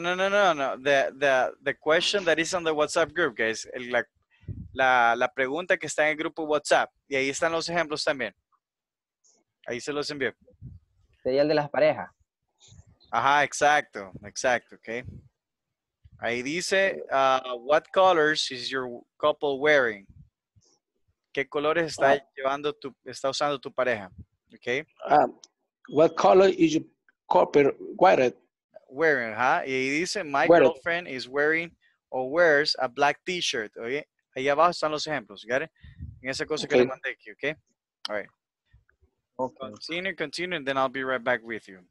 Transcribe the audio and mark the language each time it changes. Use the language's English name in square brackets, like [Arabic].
[English] The question that is on the WhatsApp group, guys. [Spanish] La pregunta que está en el grupo WhatsApp. Y ahí están los ejemplos también. Ahí se los envió. Sería el de las parejas. Ajá, exacto, exacto, okay. Ahí dice, [English] what colors is your couple wearing? [Spanish] ¿Qué colores está llevando tu, está usando tu pareja? [English] Okay. What color is your couple wearing? Wearing, [Spanish] ajá. Y ahí dice, [English] my girlfriend is wearing or wears a black t-shirt. [Spanish] Oye, ahí abajo están los ejemplos, [English] got it? [Spanish] En esa cosa okay. que le mandé aquí, okay? [English] All right. Okay. Continue, continue, and then I'll be right back with you.